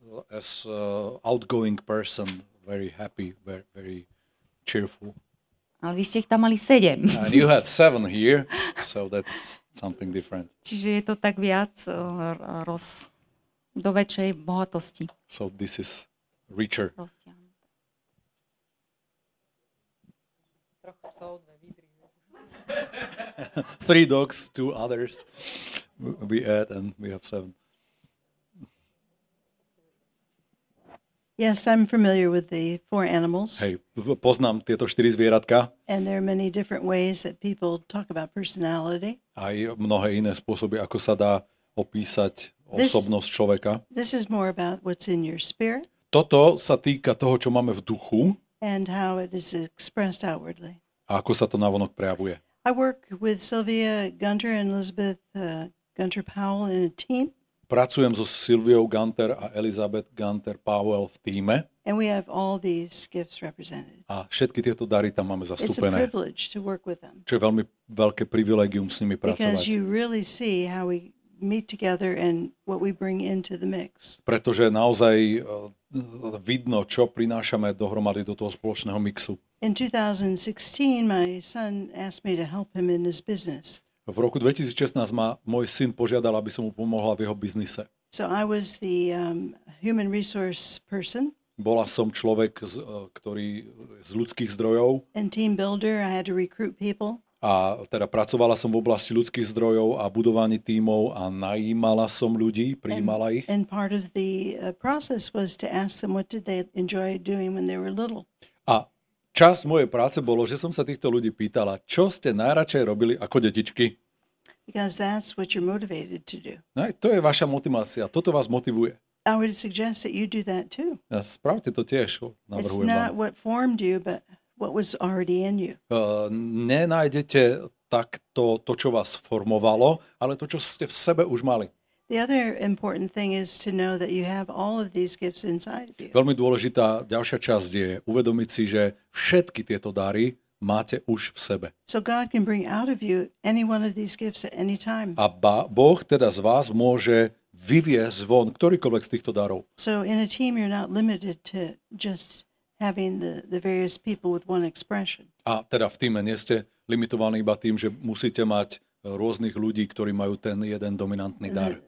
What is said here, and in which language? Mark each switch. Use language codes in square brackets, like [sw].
[en] As outgoing person, very happy, very cheerful. [sk] Ale vy ste ich tam mali 7. [en] And you had 7 here, so that's something different. [sk] Čiže je to tak viac roz do väčšej bohatosti. [en] So this is richer. Three dogs, two others. We add and we have 7. Yes, I'm familiar with the four animals. [sk] Hey, poznám tieto štyri zvieratka. [en] And there are many different ways that people talk about personality. [sk] Aj mnohé iné spôsoby, ako sa dá opísať osobnosť človeka. [en] This is more about what's in your spirit. [sk] toto sa týka toho, čo máme v duchu. [en] And how it is expressed outwardly. [sk] A ako sa to navonok prejavuje? [en] I work with Sylvia Gunter and Elizabeth Gunter Powell in a team. [sk] Pracujem so Sylviou Gunter a Elizabeth Gunter Powell v tíme. [en] And we have all these gifts represented. [sk] A všetky tieto dary tam máme zastúpené. [en] It's a privilege to work with them. [sk] Čo je veľmi veľké privilégium s nimi pracovať. [en] Because you really see how we meet together and what we bring into the mix. [sk] Pretože naozaj vidno, čo prinášame dohromady do toho spoločného mixu. [en] In 2016 my son asked me to help him in his business. [sk] V roku 2016 ma môj syn požiadal, aby som mu pomohla v jeho biznise. [en] So I was the human resource person. [sk] Bola som človek, ktorý z ľudských zdrojov. [en] And team builder, I had to recruit people. [sk] A teda pracovala som v oblasti ľudských zdrojov a budovaní tímov a najímala som ľudí, prijímala ich. [en] And part of the process was to ask them what did they enjoy doing when they were little. [sk] A časť mojej práce bolo, že som sa týchto ľudí pýtala, čo ste najradšej robili ako detičky? [en] Because that's what you're motivated to do. [sk] No, to je vaša motivácia, toto vás motivuje. [en] I would suggest that you do that too. [sk] A spravte to tiež, navrhujem vám. [en] It's not what formed you, but what was already in you. [sk] Nenájdete takto to, čo vás formovalo, ale to, čo ste v sebe už mali. [en] The other important thing is to know that you have all of these gifts inside of you. [sk] Veľmi dôležitá ďalšia časť je uvedomiť si, že všetky tieto dary máte už v sebe. [en] So God can bring out of you any one of these gifts at any time. [sk] A Boh teda z vás môže vyviesť von ktorýkoľvek z týchto darov. [en] So in a team you're not limited to just having the various people with one expression. [sk] A teda v týme nie ste limitovaní iba tým, že musíte mať rôznych ľudí, ktorí majú ten jeden dominantný dar.